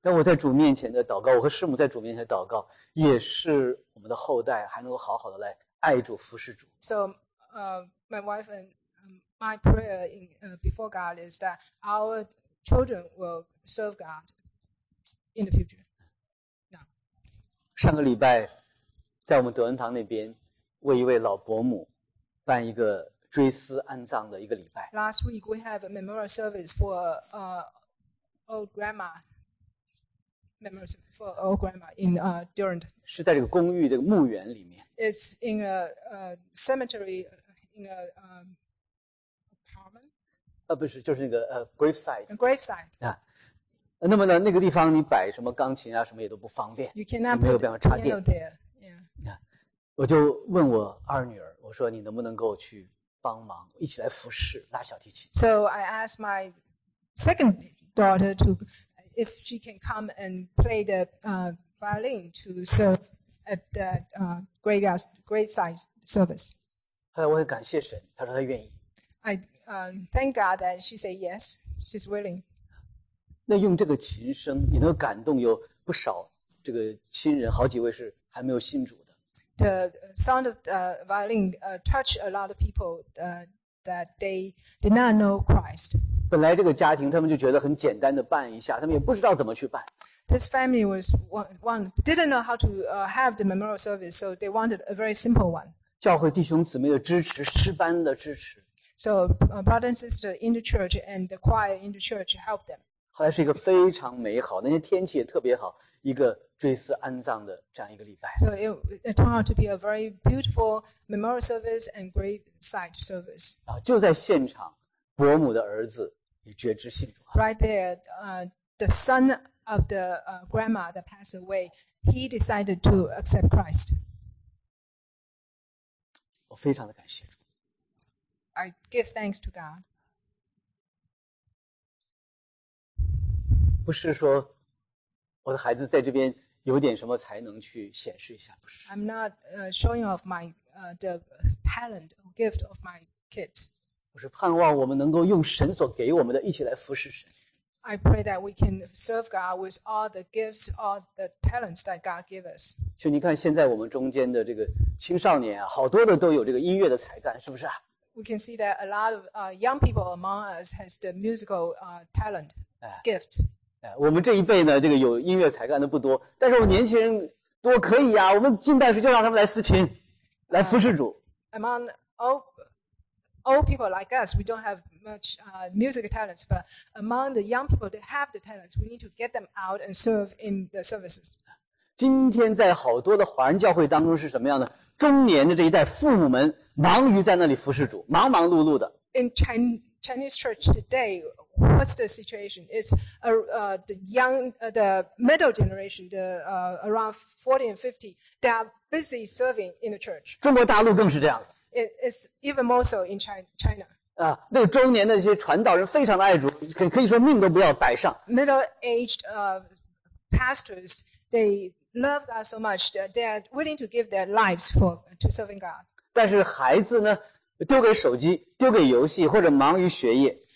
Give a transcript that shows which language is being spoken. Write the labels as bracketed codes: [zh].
[zh] 但我在主面前的祷告，我和师母在主面前的祷告，也是我们的后代还能够好好的来爱主、服侍主。 [en] So, my wife and my prayer in before God is that our children will serve God in the future. Now, [zh] 上个礼拜在我们德恩堂那边为一位老伯母办一个追思安葬的一个礼拜。 [en] Last week we have a memorial service for old grandma. Memorial service for old grandma in Durant. [zh] 是在这个公寓的墓园里面。 [en] It's in a cemetery in a apartment. [zh] 不是，就是那个graveside. [en] A graveside. [zh] 啊，那么呢，那个地方你摆什么钢琴啊，什么也都不方便。 [en] You cannot [zh] 没有办法插电。 [en] Piano there. Yeah. [zh] 啊，我就问我二女儿，我说你能不能够去帮忙一起来服侍拉小提琴。 [en] So I asked my second daughter to if she can come and play the violin to serve at the graveside service. [zh] 后来我很感谢神，她说她愿意。 [en] I thank God that she said yes, she's willing. [zh] 那用这个琴声，你能感动有不少这个亲人，好几位是还没有信主的。 [en] The sound of the violin touched a lot of people that they did not know Christ. [zh] 本来这个家庭他们就觉得很简单的办一下，他们也不知道怎么去办。 [en] This family was one didn't know how to have the memorial service, so they wanted a very simple one. [zh] 教会弟兄姊妹的支持，诗班的支持。 [en] So brother and sister in the church and the choir in the church helped them. [zh] 后来是一个非常美好，那天天气也特别好，一个追思安葬的这样一个礼拜。 [en] So it turned out to be a very beautiful memorial service and graveside service. [zh] 啊，就在现场，伯母的儿子也决志信主。 [en] Right there, the son of the grandma that passed away, he decided to accept Christ. [zh] 我非常的感谢主。 [en] I give thanks to God. [zh] 不是说我的孩子在这边有点什么才能去显示一下，不是。 [en] I'm not showing off my the talent or gift of my kids. [zh] 我是盼望我们能够用神所给我们的一起来服侍神。 [en] I pray that we can serve God with all the gifts, all the talents that God gives us. [zh] 就你看现在我们中间的这个青少年啊，好多的都有这个音乐的才干，是不是啊？ [en] We can see that a lot of young people among us has the musical talent gift. [zh] 我们这一辈呢，这个有音乐才干的不多，但是我们年轻人多可以啊，我们敬拜时就让他们来司琴，来服侍主。 [en] Among old people like us, we don't have much music talents, but among the young people that have the talents, we need to get them out and serve in the services. [zh] 今天在好多的华人教会当中是什么样的？中年的这一代父母们忙于在那里服侍主，忙忙碌碌的。 [en] In Chinese church today, what's the situation? It's the young, the middle generation, the around 40 and 50, they are busy serving in the church. [zh] 中国大陆更是这样。 [en] It's even more so in China. [zh] 啊，那个中年的那些传道人非常的爱主，可以说命都不要摆上。 [en] Middle-aged pastors, they love God so much that they are willing to give their lives for to serving God. [zh] 但是孩子呢？丢给手机，丢给游戏，或者忙于学业。